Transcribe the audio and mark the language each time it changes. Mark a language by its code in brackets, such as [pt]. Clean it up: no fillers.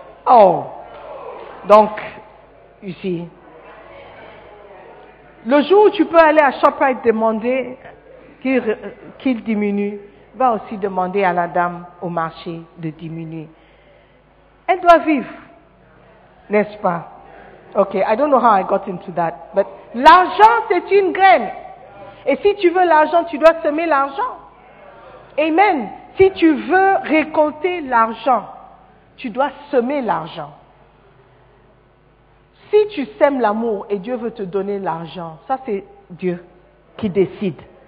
[fr] Oh, donc, ici. Le jour où tu peux aller à ShopRite demander qu'il diminue, va aussi demander à la dame au marché de diminuer. Elle doit vivre, n'est-ce pas? [en] Ok, I don't know how I got into that. [fr] But l'argent, c'est une graine. Et si tu veux l'argent, tu dois semer l'argent. Amen. Si tu veux récolter l'argent, tu dois semer l'argent. Si tu sèmes l'amour et Dieu veut te donner l'argent, ça c'est Dieu qui décide.